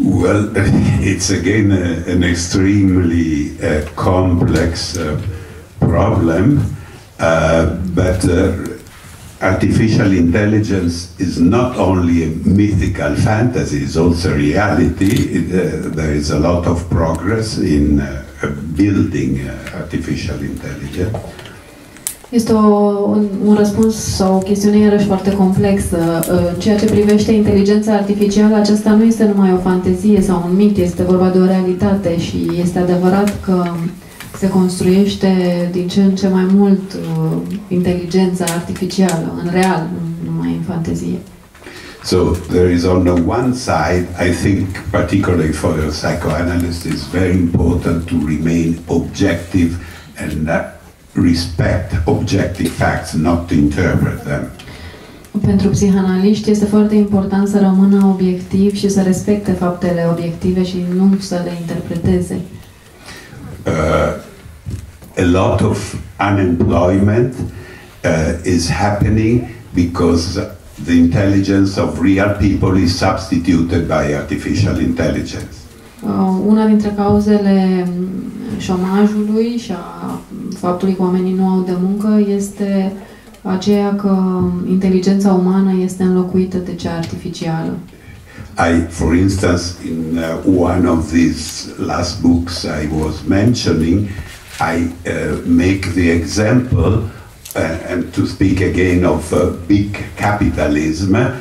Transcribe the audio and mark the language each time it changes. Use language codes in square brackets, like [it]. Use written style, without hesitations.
[en] Well, it's again an extremely complex problem, but artificial intelligence is not only a mythical fantasy, it's also reality. There is a lot of progress in building artificial intelligence. [ro] Este un răspuns sau o chestiune iarăși foarte complexă. Ceea ce privește inteligența artificială, aceasta nu este numai o fantezie sau un mit, este vorba de o realitate și este adevărat că se construiește din ce în ce mai mult inteligența artificială, în real, numai în fantezie. [en] So, there is on the one side, I think, particularly for a psychoanalyst, it's very important to remain objective and respect objective facts, not to interpret them. [ro] Pentru psihanaliști este foarte important să rămână obiectiv și să respecte faptele obiective și nu să le interpreteze. [en] A lot of unemployment is happening because the intelligence of real people is substituted by artificial intelligence. [ro] Una dintre cauzele șomajului și a faptului că oamenii nu au de muncă este aceea că inteligența umană este înlocuită de cea artificială. [en] I, for instance, in one of these last books I was mentioning, I make the example, and to speak again of big capitalism,